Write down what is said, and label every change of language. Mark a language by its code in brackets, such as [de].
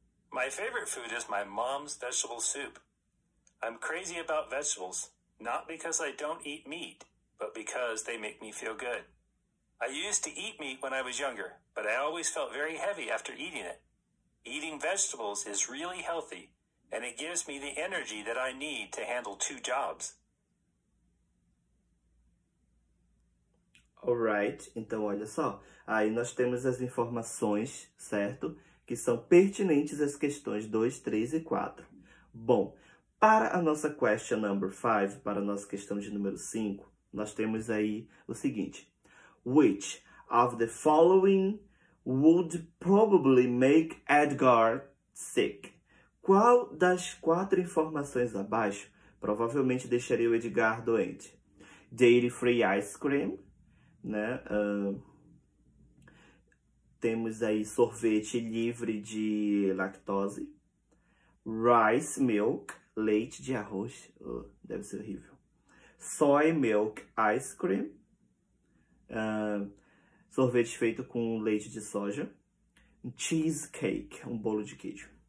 [en] My favorite food is my mom's vegetable soup. I'm crazy about vegetables, not because I don't eat meat, but because they make me feel good. I used to eat meat when I was younger, but I always felt very heavy after eating it. Eating vegetables is really healthy, and it gives me the energy that I need to handle 2 jobs. [pt] Alright, então olha só, aí nós temos as informações, certo? Que são pertinentes às questões 2, 3 e 4. Bom, para a nossa [en] question number 5, [pt] para a nossa questão de número 5, nós temos aí o seguinte. [en] Which of the following would probably make Edgar sick? [pt] Qual das 4 informações abaixo provavelmente deixaria o Edgar doente? [en] Dairy free ice cream. Né? [pt] Temos aí sorvete livre de lactose, [en] rice milk, [pt] leite de arroz, deve ser horrível, [en] soy milk ice cream, [pt] sorvete feito com leite de soja, [en] cheesecake, [pt] um bolo de queijo.